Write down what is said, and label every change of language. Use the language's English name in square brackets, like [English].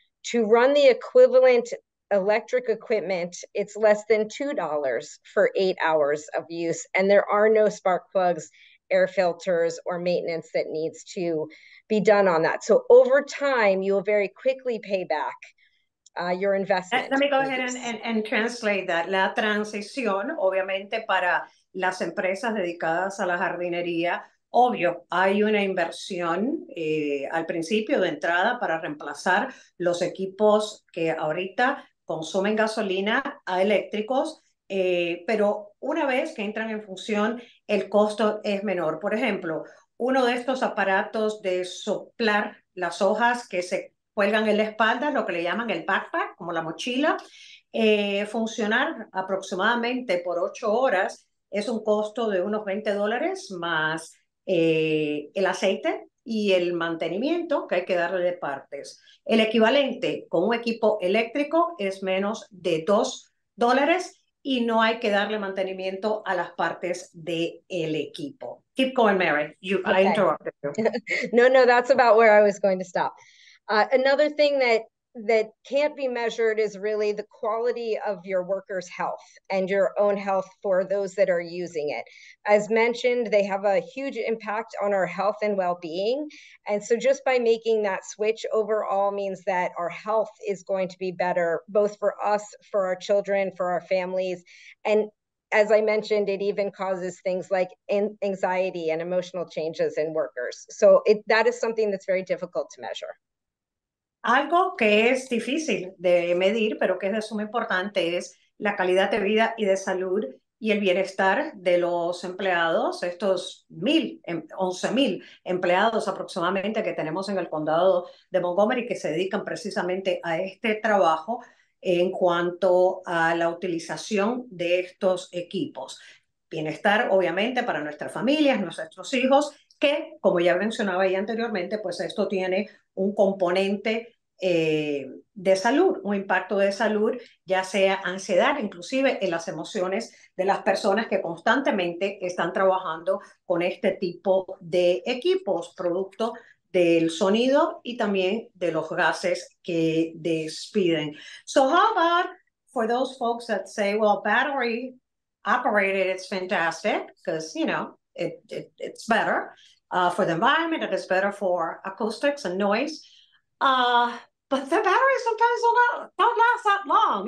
[English] To run the equivalent electric equipment, it's less than $2 for 8 hours of use, and there are no spark plugs, air filters, or maintenance that needs to be done on that. So over time, you will very quickly pay back your investment. Let me go ahead and translate that. [Spanish] La transición, obviamente, para las empresas dedicadas a la jardinería, obvio, hay una inversión al principio de entrada para reemplazar los equipos que ahorita consumen gasolina a eléctricos, pero una vez que entran en función, el costo es menor. Por ejemplo, uno de estos aparatos de soplar las hojas que se cuelgan en la espalda, lo que le llaman el backpack, como la mochila, funcionar aproximadamente por 8 horas es un costo de unos $20 más el aceite y el mantenimiento que hay que darle de partes. El equivalente con un equipo eléctrico es menos de $2 y no hay que darle mantenimiento a las partes del equipo. [English] Keep going, Mary. I interrupted you. No, that's about where I was going to stop. Another thing that can't be measured is really the quality of your workers' health and your own health for those that are using it. As mentioned, they have a huge impact on our health and well-being. And so just by making that switch overall means that our health is going to be better, both for us, for our children, for our families. And as I mentioned, it even causes things like anxiety and emotional changes in workers. So that is something that's very difficult to measure. [Spanish] Algo que es difícil de medir, pero que es de suma importancia, es la calidad de vida y de salud y el bienestar de los empleados, estos 11,000 empleados aproximadamente que tenemos en el condado de Montgomery que se dedican precisamente a este trabajo en cuanto a la utilización de estos equipos. Bienestar, obviamente, para nuestras familias, nuestros hijos, que, como ya mencionaba ya anteriormente, pues esto tiene un componente de salud, un impacto de salud, ya sea ansiedad, inclusive en las emociones de las personas que constantemente están trabajando con este tipo de equipos, producto del sonido y también de los gases que despiden. [English] So how about for those folks that say, well, battery operated, it's fantastic, because, you know, it's better for the environment, and it's better for acoustics and noise. But the batteries sometimes don't last that long.